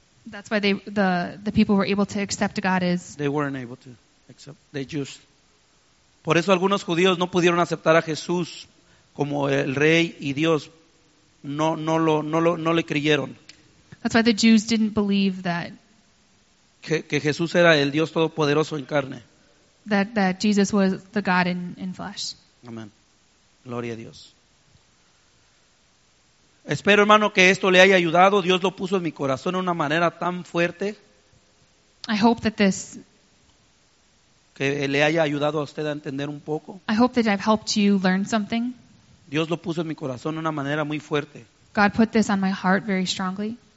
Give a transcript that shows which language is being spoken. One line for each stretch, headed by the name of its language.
English: That's why the people were able to accept God as. They weren't able to accept the Jews.
Spanish: Por eso algunos judíos no pudieron aceptar a Jesús como el Rey y Dios. No le creyeron.
English: That's why the Jews didn't believe that.
Spanish: Que Jesús era el Dios todopoderoso en carne.
English: That Jesus was the God in flesh.
Spanish: Amén. Gloria a Dios. Espero, hermano, que esto le haya ayudado. Dios lo puso en mi corazón de una manera tan fuerte.
English: I hope that this
Spanish: que le haya ayudado a usted a entender un poco.
English: I hope that I've helped you learn something.
Spanish: Dios lo puso en mi corazón de una manera muy fuerte.
English: God put this on my heart very strongly.